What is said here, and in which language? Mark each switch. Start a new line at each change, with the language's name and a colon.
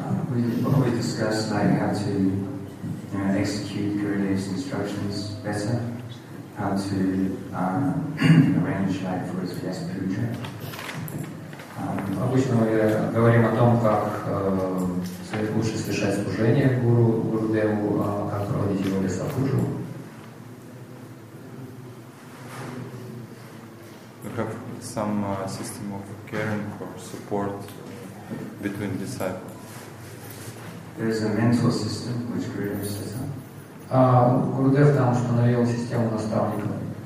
English: We discuss like how to execute Gurudev's instructions better, how to arrange like for his best puja.
Russian: Обычно мы говорим о том, как лучше совершать служение Гурудеву, как проводить его лесопужу.
English: We have some system of caring for support between disciples. There is a mental system which Gurudev set up.
Russian: Гурудев там установил систему наставников.